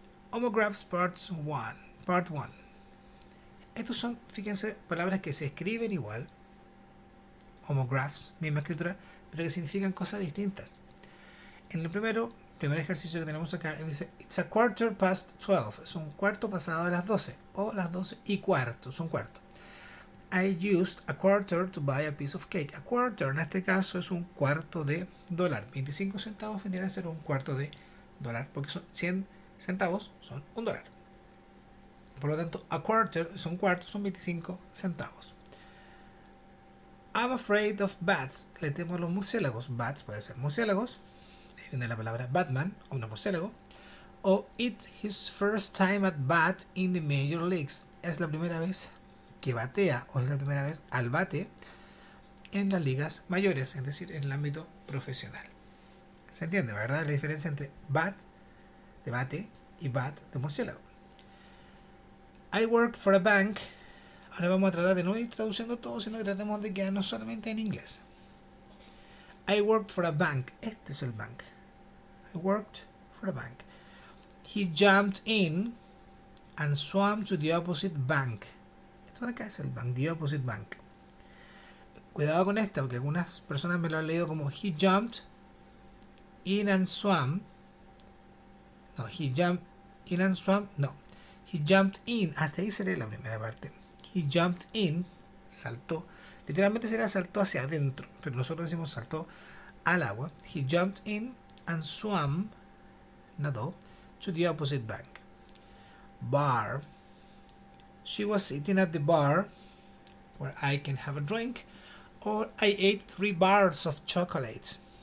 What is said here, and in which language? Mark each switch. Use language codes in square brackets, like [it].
[es] Homographs part 1. Estos son, fíjense, palabras que se escriben igual, homographs, misma escritura, pero que significan cosas distintas. En el primer ejercicio que tenemos acá, dice, [en] it's a quarter past 12, [es] es un cuarto pasado de las 12, o las 12 y cuarto, es un cuarto. [en] used a quarter to buy a piece of cake. [es] A quarter, en este caso, es un cuarto de dólar. 25 centavos vendría a ser un cuarto de dólar, porque son 100 centavos, son un dólar. Por lo tanto, a quarter es un cuarto, son 25 centavos. [en] I'm afraid of bats. [es] Le temo a los murciélagos. Bats puede ser murciélagos. Ahí viene la palabra Batman, o un murciélago. [en] O it's his first time at bat in the major leagues. [es] Es la primera vez que batea, o es la primera vez al bate en las ligas mayores, es decir, en el ámbito profesional. ¿Se entiende, verdad? La diferencia entre bat, de bate, y bat, de murciélago. [en] I work for a bank. [es] Ahora vamos a tratar de no ir traduciendo todo, sino que tratemos de quedarnos solamente en inglés. [en] I worked for a bank. [es] Este es el bank. [en] I worked for a bank. He jumped in and swam to the opposite bank. [es] Esto de acá es el bank, [en] the opposite bank. [es] Cuidado con esta, porque algunas personas me lo han leído como [en] he jumped in and swam. No, he jumped in and swam. No, he jumped in. [es] Hasta ahí sería la primera parte. [en] He jumped in, [es] saltó. Literalmente sería saltó hacia adentro, pero nosotros decimos saltó al agua. [en] He jumped in and swam, nadó, to the opposite bank. Bar. She was sitting at the bar where I can have a drink, or I ate 3 bars of chocolate.